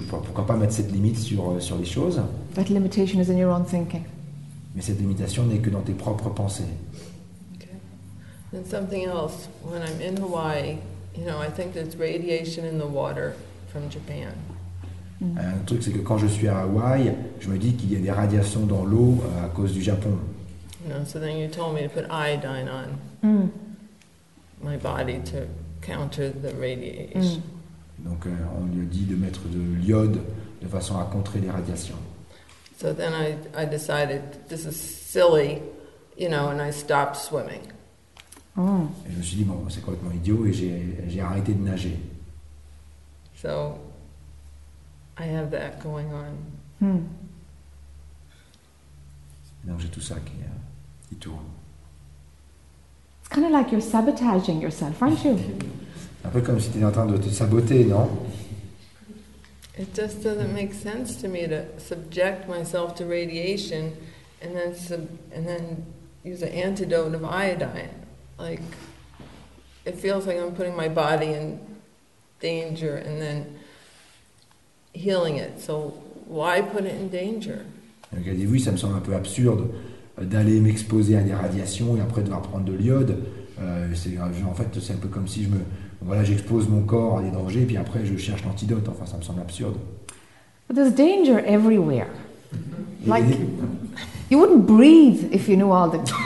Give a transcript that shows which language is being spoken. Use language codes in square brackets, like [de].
[fr] Pourquoi pas mettre cette limite sur les choses? [en] That limitation is in your own thinking. [fr] Mais cette limitation n'est que dans tes propres pensées. [en] Okay. And something else. When I'm in Hawaii, you know, I think there's radiation in the water from Japan. Mm. [fr] Un truc, c'est que quand je suis à Hawaï, je me dis qu'il y a des radiations dans l'eau à cause du Japon. [en] No, so then you told me to put iodine on my body to counter the radiation. Mm. [fr] Donc on lui a dit de mettre de l'iode de façon à contrer les radiations. [en] So then I decided this is silly, you know, and I stopped swimming. Oh. [fr] Et je me suis dit bon, c'est complètement idiot et j'ai arrêté de nager. [en] So I have that going on. Hmm. [fr] Donc j'ai tout ça qui tourne. [en] It's kind of like you're sabotaging yourself, aren't you? [fr] Un peu comme si tu étais en train de te saboter, non? [en] It just doesn't make sense to me to subject myself to radiation and then and then use an antidote of iodine. Like, it feels like I'm putting my body in danger and then healing it. So why put it in danger? [fr] Regardez-vous, ça me semble un peu absurde d'aller m'exposer à des radiations et après devoir prendre de l'iode. C'est un peu comme si je me... Voilà, j'expose mon corps à des dangers, puis après je cherche l'antidote. Enfin, ça me semble absurde. [en] But there's danger everywhere. Like, you wouldn't breathe if you knew all the...